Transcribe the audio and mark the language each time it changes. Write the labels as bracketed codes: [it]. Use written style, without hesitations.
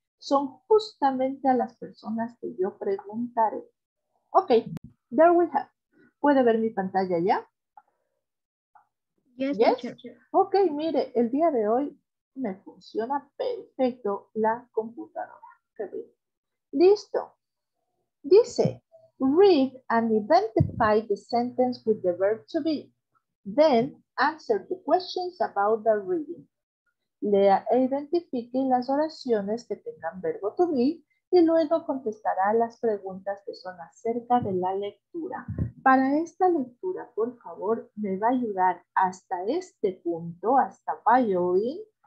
[es] Son justamente a las personas que yo preguntaré. [en] Ok, there we have. [es] ¿Puede ver mi pantalla ya? [en] Yes, yes, teacher. [es] Ok, mire, el día de hoy me funciona perfecto la computadora. Qué bien. Listo. [en] Dice, read and identify the sentence with the verb to be. Then, answer the questions about the reading. [es] Lea e identifique las oraciones que tengan verbo to be y luego contestará las preguntas que son acerca de la lectura. Para esta lectura, por favor, me va a ayudar hasta este punto, hasta following.